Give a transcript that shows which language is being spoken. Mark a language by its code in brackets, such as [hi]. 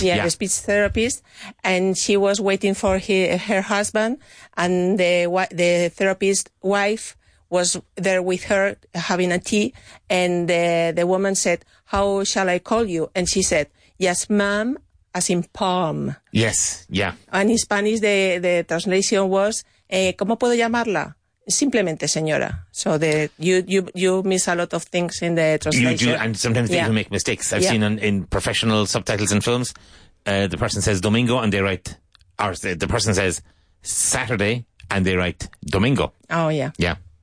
[en] Yeah, the speech therapist, and she was waiting for her husband, and the therapist wife was there with her having a tea, and the woman said, how shall I call you? And she said, yes, ma'am, as in palm. Yes, yeah. And in Spanish, the translation was, [es] ¿cómo puedo llamarla? Simplemente, señora. [en] So you miss a lot of things in the translation. You do, and sometimes they even make mistakes. I've seen in professional subtitles and films, the person says Domingo, and they write, or the person says Saturday, and they write Domingo. Oh, yeah. Yeah.